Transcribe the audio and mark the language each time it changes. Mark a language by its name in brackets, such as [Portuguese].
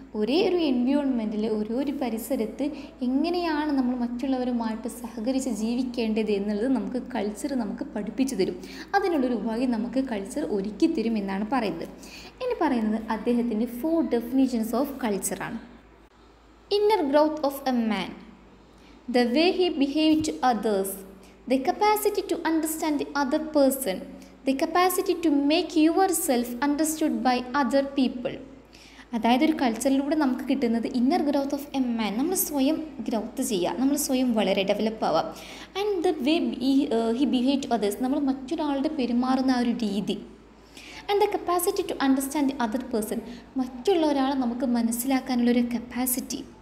[Malayalam] ഒരേ ഒരു എൻവയോൺമെൻറ്റിൽ, ഒരേ ഒരു പരിസരത്ത് എങ്ങനെയാണ് നമ്മൾ മറ്റുള്ളവരുമായിട്ട് സഹകരിച്ച് ജീവിക്കേണ്ടത് എന്നുള്ളത് നമുക്ക് കൾച്ചർ നമുക്ക് പഠിപ്പിച്ചു തരും. അതിനുള്ളൊരു ഉപായി നമുക്ക് കൾച്ചർ ഒരുക്കിത്തരും എന്നാണ് പറയുന്നത്. ഇനി പറയുന്നത് അദ്ദേഹത്തിൻ്റെ 4 definitions of കൾച്ചറാണ്. [English] Inner growth of a man, the way he behaved to others, the capacity to understand the other person, the capacity to make yourself understood by other people. [Malayalam] അതായത് ഒരു കൾച്ചറിലൂടെ നമുക്ക് കിട്ടുന്നത് [English] Inner growth of a man. [Malayalam] നമ്മൾ സ്വയം growth ചെയ്യുക, നമ്മൾ സ്വയം വളരെ ഡെവലപ്പ് ആവുക. [English] and the way he behave to others, [Malayalam] നമ്മൾ മറ്റൊരാളുടെ പെരുമാറുന്ന ആ ഒരു രീതി. [English] and the capacity to understand the other person, [Malayalam] മറ്റുള്ള ഒരാളെ നമുക്ക് മനസ്സിലാക്കാനുള്ളൊരു കപ്പാസിറ്റി.